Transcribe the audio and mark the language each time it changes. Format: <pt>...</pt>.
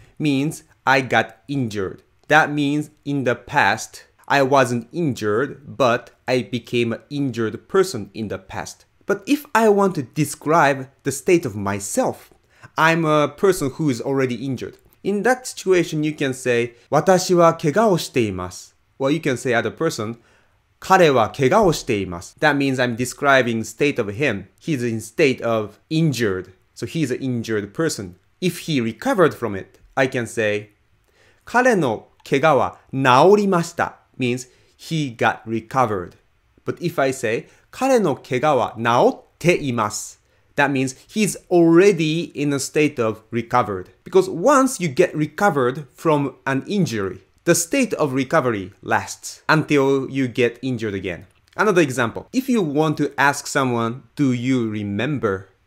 <en>means I got injured. That means in the past, I wasn't injured, but I became an injured person in the past. But if I want to describe the state of myself, I'm a person who is already injured. In that situation, you can say,</en> <ja>私は怪我をしています。</ja> <en>Well, you can say other person,</en> <ja>彼は怪我をしています。</ja> <en>That means I'm describing state of him. He's in state of injured. So he's an injured person. If he recovered from it, I can say,</en> <ja>彼の怪我は治りました。</ja> <en>Means he got recovered. But if I say,</en> <ja>彼の怪我は治っています。</ja> <en>That means he's already in a state of recovered. Because once you get recovered from an injury,The state of recovery lasts until you get injured again. Another example. If you want to ask someone, do you remember?</en>